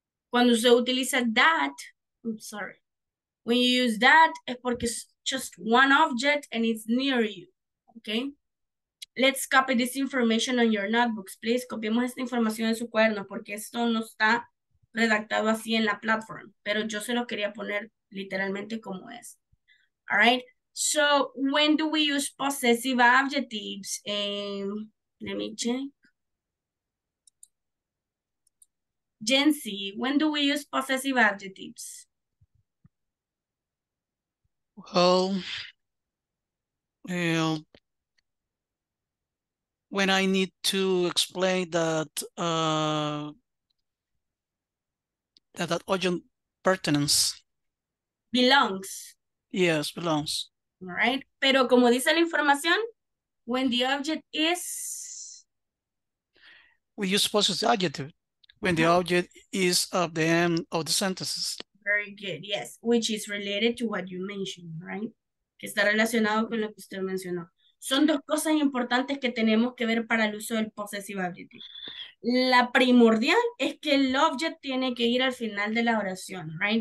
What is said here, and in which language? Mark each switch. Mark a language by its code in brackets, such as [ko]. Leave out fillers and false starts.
[es] Cuando se utiliza [en] that, when you use that, [es] es porque [en] it's just one object and it's near you, okay? Let's copy this information on your notebooks, please. [es] Copiemos esta información en su cuaderno porque esto no está redactado así en la plataforma, pero yo se lo quería poner literalmente como es, [en] all right? So, when do we use possessive adjectives? Let me check. Gen Z, when do we use possessive adjectives? Well, when I need to explain that object pertains. Belongs. Yes, belongs. All right, [es] pero como dice la información, [en] when the object is... We use possessive adjective when the object is at the end of the sentences. Very good, yes, which is related to what you mentioned, right? [es] Que está relacionado con lo que usted mencionó. Son dos cosas importantes que tenemos que ver para el uso del possessive adjective. La primordial es que el object tiene que ir al final de la oración, right?